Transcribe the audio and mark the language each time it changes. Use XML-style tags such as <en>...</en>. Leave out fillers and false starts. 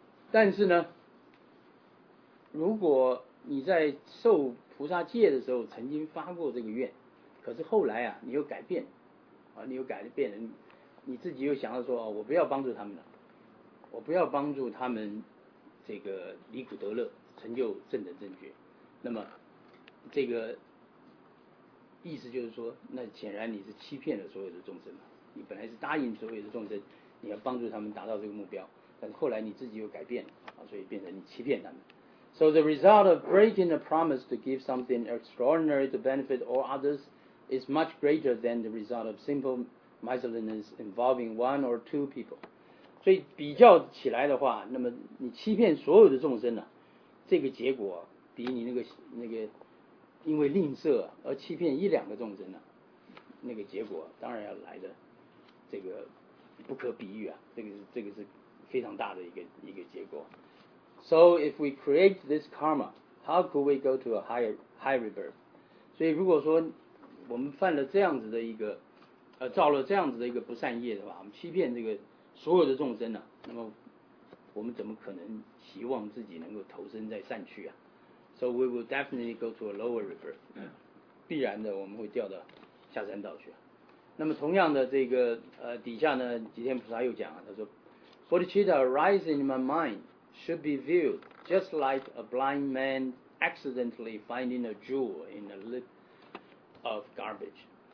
<zh>但是呢，如果你在受菩萨戒的时候曾经发过这个愿，可是后来啊你又改变啊，你又改变了，你自己又想到说，哦，我不要帮助他们了，我不要帮助他们这个离苦得乐成就正等正觉，那么这个意思就是说，那显然你是欺骗了所有的众生嘛，你本来是答应所有的众生你要帮助他们达到这个目标，但是后来你自己又改变了，所以变成你欺骗他们。</zh> <en>So the result of breaking a promise to give something extraordinary to benefit all others is much greater than the result of simple miserliness involving one or two people.</en> <zh>所以比较起来的话，那么你欺骗所有的众生呢、啊，这个结果、啊、比你那个因为吝啬而欺骗一两个众生呢、啊，那个结果当然要来的这个不可比喻啊，这个是非常大的一个结果。</zh> <en>So if we create this karma, how could we go to a high rebirth?</en> <zh>所以如果说我们犯了这样子的一个造了这样子的一个不善业的话，我们欺骗这个所有的众生呢、啊，那么我们怎么可能希望自己能够投身在善趣啊？</zh> <en>So we will definitely go to a lower rebirth.</en> <zh>必然的我们会掉到下三道去、啊、那么同样的这个底下呢，吉天菩萨又讲啊，他说</zh> <en>Bodhicitta arising in my mind should be viewed just like a blind man accidentally finding a jewel in a lip of garbage.</en>